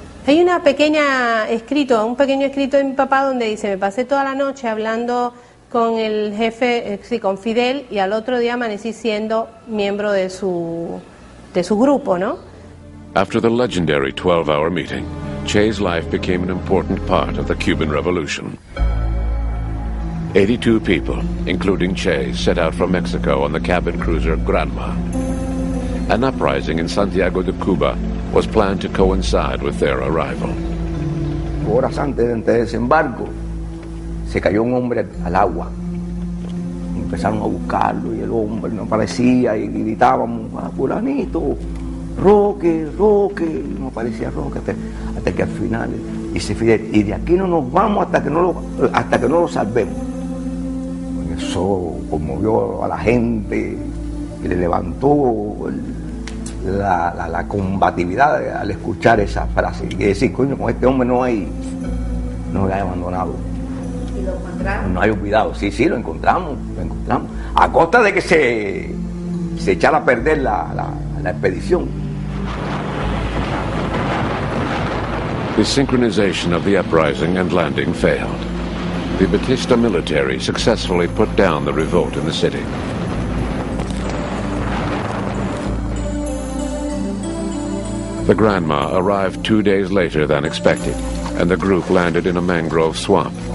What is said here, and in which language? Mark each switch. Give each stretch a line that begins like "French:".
Spanish: Hay una pequeña escrito, un pequeño escrito de mi papá donde dice, me pasé toda la noche hablando con el jefe, sí, con Fidel, y al otro día amanecí siendo miembro de su grupo, ¿no?
English: After the legendary 12-hour meeting, Che's life became an important part of the Cuban Revolution. 82 people, including Che, set out from Mexico on the cabin cruiser Granma. An uprising in Santiago de Cuba was planned to coincide with their arrival.
Spanish: Horas antes de desembarco, se cayó un hombre al agua. Empezaron a buscarlo y el hombre no aparecía y gritábamos, ah, fulanito, Roque, Roque, y no aparecía Roque hasta que al final dice Fidel, y de aquí no nos vamos hasta que no lo salvemos. Con eso conmovió a la gente y le levantó la combatividad al escuchar esa frase. Y decir, coño, con este hombre no lo hay abandonado. No hay olvidado, sí, lo encontramos, a costa de que se echara a perder la expedición.
English: The synchronization of the uprising and landing failed. The Batista military successfully put down the revolt in the city. The Granma arrived 2 days later than expected, and the group landed in a mangrove swamp.